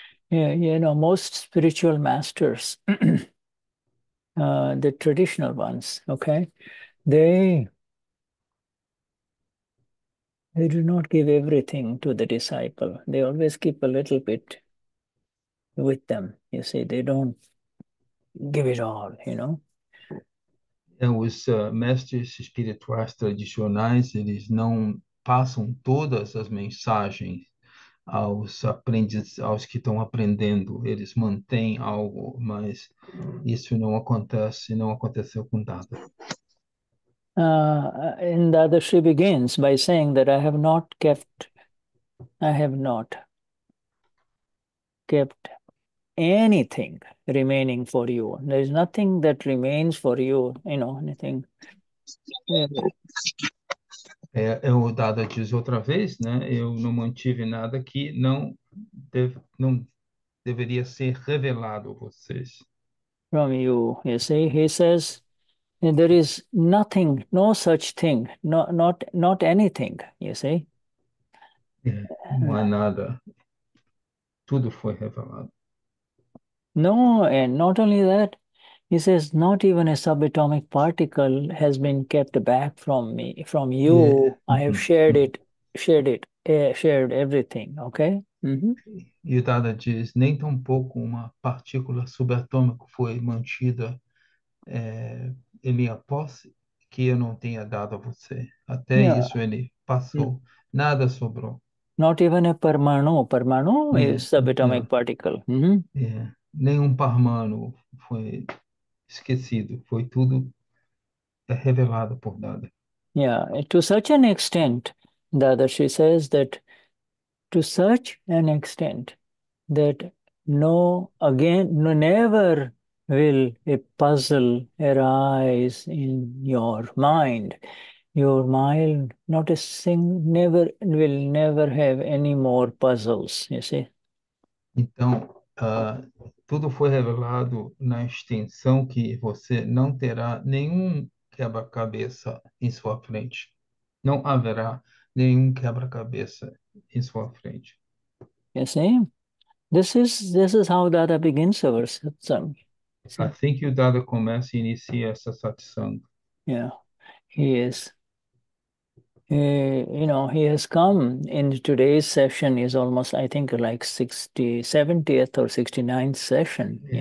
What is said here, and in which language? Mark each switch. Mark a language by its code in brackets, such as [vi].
[en] Most spiritual masters, the traditional ones, okay, they do not give everything to the disciple. They always keep a little bit with them. You see, they don't give it all, you know. [pt] Os mestres espirituais tradicionais, eles não passam todas as mensagens aos aprendizes, aos que estão aprendendo. Eles mantêm algo, mas isso não acontece, não aconteceu com nada. [en] And Dada Shri begins by saying that I have not kept anything remaining for you. There is nothing that remains for you, anything. [pt] O Dada diz outra vez, né? Eu não mantive nada que não deveria ser revelado a vocês. [en] From you, you see, he says. And there is nothing, no such thing, no, not anything, you see. [pt] Não há nada. Tudo foi revelado. [en] No, and not only that, he says, not even a subatomic particle has been kept back from me, from you. I have shared everything, okay? [pt] E o Dada diz, nem tampouco uma partícula subatômica foi mantida em minha posse que eu não tinha dado a você. Até [en] Yeah. [pt] isso ele passou. Nada sobrou. [en] Not even a Parmanu. Parmanu [pt] Não, [en] is subatomic [pt] não. [en] particle. [pt] Nenhum parmano foi esquecido. Foi tudo revelado por nada. [en] Yeah, to such an extent, Dada, she says that to such an extent that no, again, no, never will a puzzle arise in your mind. Your mind, not a sing, never will never have any more puzzles, you see. [pt] Então, tudo foi revelado na extensão que você não terá nenhum quebra-cabeça em sua frente. Não haverá nenhum quebra-cabeça em sua frente. [en] You see? This is how Dada begins our satsang. See? [pt] Assim que o Dada começa e inicia essa satsang. [en] Yeah, he is. He has come in today's session is almost, I think, like 70th or 69th session, you